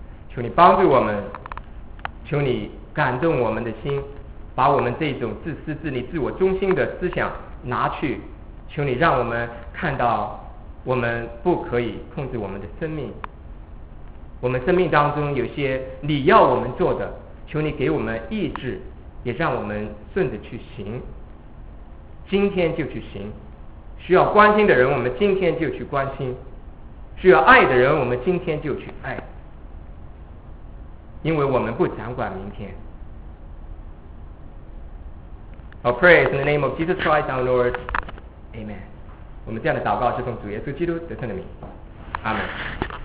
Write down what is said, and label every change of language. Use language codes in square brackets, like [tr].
[zh] 求你帮助我们，求你感动我们的心，把我们这种自私自利自我中心的思想拿去，求你让我们看到我们不可以控制我们的生命，我们生命当中有些你要我们做的，求你给我们意志，也让我们顺着去行，今天就去行，需要关心的人我们今天就去关心，需要爱的人我们今天就去爱，因为我们不掌管明天。 [en] Our praise in the name of Jesus Christ, our Lord. Amen. [zh] 我们这样的祷告是奉主耶稣基督得胜的名。阿门。